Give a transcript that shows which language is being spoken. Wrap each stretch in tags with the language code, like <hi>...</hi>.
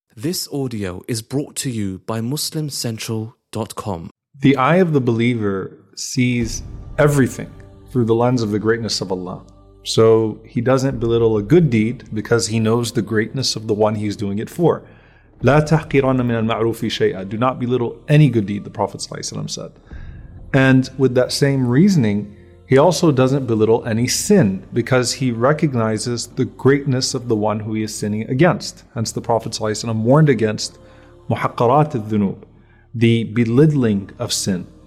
<en>This audio is brought to you by MuslimCentral.com. The eye of the believer sees everything through the lens of the greatness of Allah. So he doesn't belittle a good deed because he knows the greatness of the one he's doing it for.</en> <ar>لا تحقرن من المعروف شيئا.</ar> <en>Do not belittle any good deed, the Prophet ﷺ said. And with that same reasoning, he also doesn't belittle any sin because he recognizes the greatness of the one who he is sinning against. Hence the Prophet ﷺ warned against</en> <ar>محقرات الذنوب,</ar> <en>the belittling of sin.</en>